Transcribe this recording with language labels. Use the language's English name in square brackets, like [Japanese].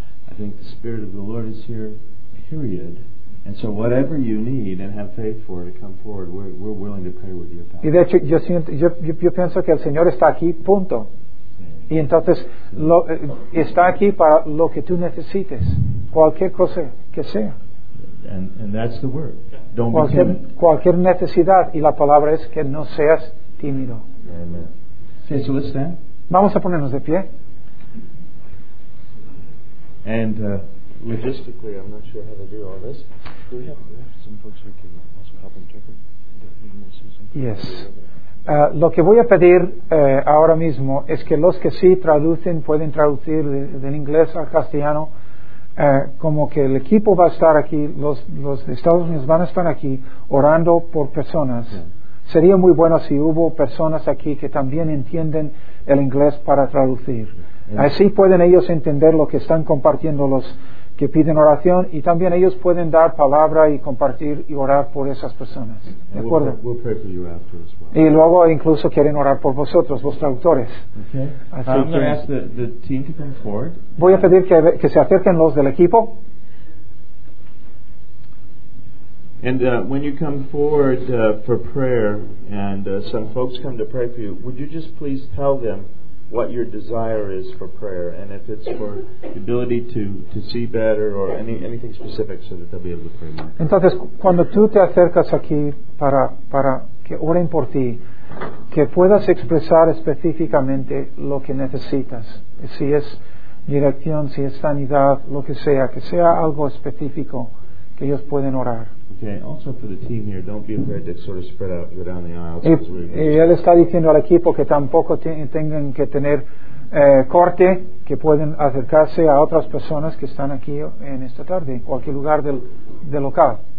[English] I think the Spirit of the Lord is here, period. And so whatever you need and have faith for to come forward, we're willing to pray with you. [Spanish] Y de hecho, yo pienso que el Señor está aquí, punto. Y entonces, está aquí para lo que tú necesites, cualquier cosa que sea. [English] And that's the word. Don't [Spanish] cualquier, [English] be timid. [Spanish] Cualquier necesidad, y la palabra es que no seas tímido. [English] Amen. Okay, so let's stand. [Spanish] Vamos a ponernos de pie. [English] And logistically, I'm not sure how to do all this. Do we have some folks who can also help interpret? Yes. [Spanish] Lo que voy a pedir ahora mismo es que los que sí traducen pueden traducir del inglés al castellano, como que el equipo va a estar aquí, los de Estados Unidos van a estar aquí orando por personas. [English] Yeah. [Spanish] Sería muy bueno si hubo personas aquí que también entienden el inglés para traducir. [English] Yeah. [Spanish] Así pueden ellos entender lo que están compartiendo los que piden oración, y también ellos pueden dar palabra y compartir y orar por esas personas. [English] And [Spanish] ¿de acuerdo? [English] We'll pray for you after as well. [Spanish] Y luego incluso quieren orar por vosotros, los traductores. [English] Okay. I'm going to ask the team to come forward. [Spanish] Voy a pedir que se acerquen los del equipo. [English] And when you come forward for prayer, and some folks come to pray for you, would you just please tell them what your desire is for prayer, and if it's for the ability to see better or anything specific, so that they'll be able to pray more. [Spanish] Entonces, cuando tú te acercas aquí para que oren por ti, que puedas expresar específicamente lo que necesitas, si es dirección, si es sanidad, lo que sea algo específico que ellos pueden orar. [English] Okay. Also for the team here, don't be afraid to sort of spread out, go down the aisles. [Spanish] Y él está diciendo al equipo que tampoco tengan que tener corte, que pueden acercarse a otras personas que están aquí en esta tarde, en cualquier lugar del local.